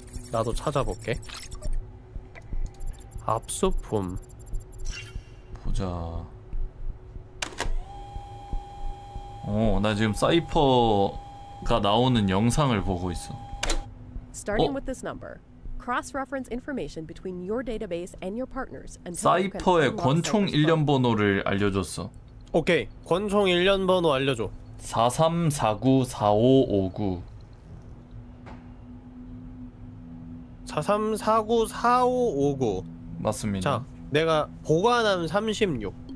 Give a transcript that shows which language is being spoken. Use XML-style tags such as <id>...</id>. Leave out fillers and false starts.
<ko>나도 찾아볼게. 압수품 보자. 오, 나 지금 사이퍼가 나오는 영상을 보고 있어.</ko> <en>Starting with this number. Cross-reference information between your database and your partners.</en> <ko>사이퍼의 권총 일련 번호를 알려줬어. 오케이. 권총 일련 번호 알려줘. 43494559. 43494559. 맞습니다. 자, 내가 보관함 36.</ko>